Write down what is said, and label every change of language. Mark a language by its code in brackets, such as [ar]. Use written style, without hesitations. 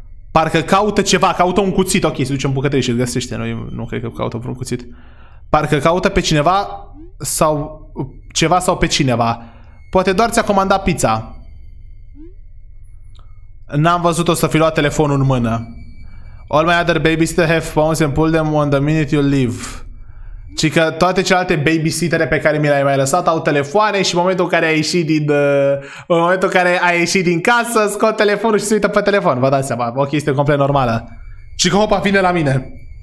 [ro] Parcă caută ceva, caută un cuțit. Ok, se duce în bucătărie și îl găsește. Noi nu cred că caută vreun cuțit. Parcă caută pe cineva sau ceva sau pe cineva. Poate doar ți-a comandat pizza. N-am văzut-o să fi luat telefonul în mână. [en] All my other babysitter have phones and pull them on the minute you leave. [ro] Ci că toate celelalte babysittere pe care mi le-ai mai lăsat au telefoane și în momentul în care ai ieșit din casă, scot telefonul și se uită pe telefon. Vă dați seama, o chestie complet normală. Ci că hopa, vine la mine.